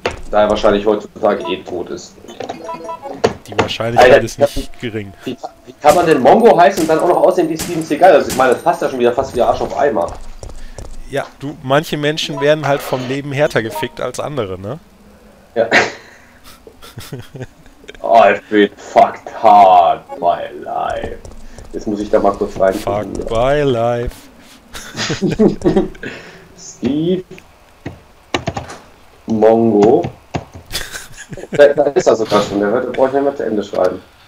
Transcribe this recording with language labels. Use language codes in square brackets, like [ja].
[de] Da er wahrscheinlich heutzutage eh tot ist. Die Wahrscheinlichkeit ist nicht gering. Wie kann man denn Mongo heißen und dann auch noch aussehen wie Steven Seagal? Also ich meine, das passt ja schon wieder fast wie der Arsch auf Eimer. Ja, du, manche Menschen werden halt vom Leben härter gefickt als andere, ne? Ja. [en] I've been fucked hard my life. [de] Jetzt muss ich da mal kurz rein. [en] Fuck my life. Steve Mongo. [de] Da ist er sogar schon. Der wird, brauche ich nicht mehr zu Ende schreiben.